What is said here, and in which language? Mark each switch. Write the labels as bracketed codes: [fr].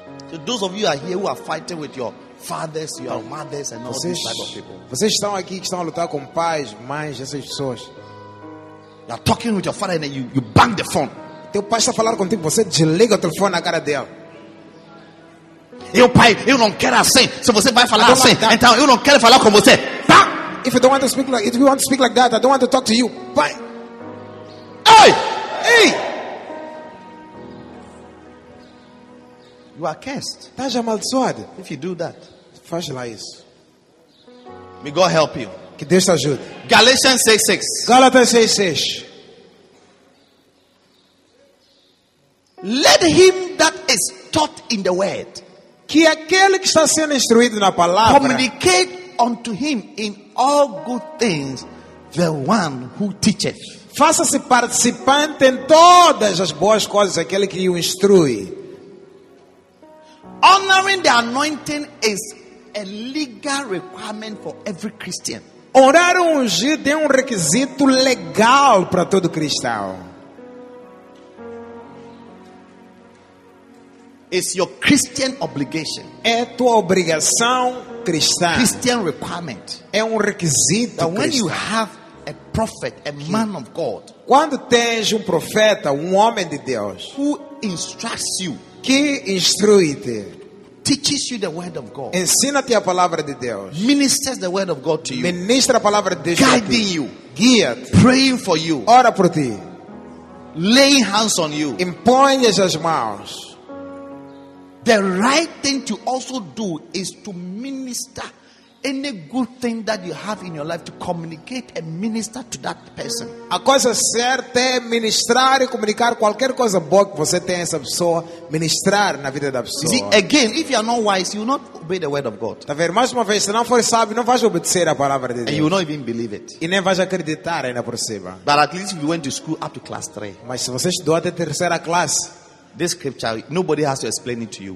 [en] So those of you are here who are fighting with your fathers, your mothers, and all these type of people. [pt] Vocês estão aqui que estão a lutar com pais, mães, essas pessoas. [en] You are talking with your father and then you bang the phone. [pt] Teu pai está a falar contigo, você desliga o telefone na cara dele. Eu pai, eu não quero assim. Se você vai falar assim, [en] like [pt] então eu não quero falar com você. Bam! [en] If you don't want to speak like, if you want to speak like that, I don't want to talk to you. Bye. Hey! Hey! You are cursed. [pt] Estás amaldiçoado. [en] If you do that, [pt] faz lá isso. [en] May God help you. [pt] Que Deus te ajude. [en] Galatians 6:6. [pt] Gálatas 6:6. [en] Let him that is taught in the word. [pt] Que aquele que está sendo instruído na palavra. [en] Communicate unto him in all good things the one who teacheth. [pt] Faça-se participante em todas as boas coisas aquele que o instrui. [en] Honoring the anointing is a legal requirement for every Christian. [pt] Orar o ungido é requisito legal para todo cristão. [en] It's your Christian obligation. [pt] É tua obrigação cristã. [en] Christian requirement. [pt] É requisito cristão. [en] When you have a prophet, a man of God, [pt] quando tens profeta, homem de Deus, [en] who instructs you, [pt] que instrui-te, [en] teaches you the word of God, [pt] ensina-te a palavra de Deus, [en] ministers the word of God to you, [pt] ministra a palavra de Deus, [en] guiding you, [pt] guia-te, [en] praying for you, [pt] ora por ti, [en] laying hands on you, [pt] impõe as mãos. [en] The right thing to also do is to minister. Any good thing that you have in your life to communicate and minister to that person. [pt] A coisa certa é ministrar e comunicar qualquer coisa boa que você tem a essa pessoa, ministrar na vida da pessoa. [en] See, again, if you are not wise, you will not obey the word of God. [pt] Tá vendo? Mais uma vez, se não for sábio, não vais obedecer a palavra de Deus. [en] And you will not even believe it. [pt] E nem vais acreditar ainda por cima. [en] But at least you went to school up to class 3. [pt] Mas se você estudou até terceira classe, [en] this scripture nobody has to explain it to you.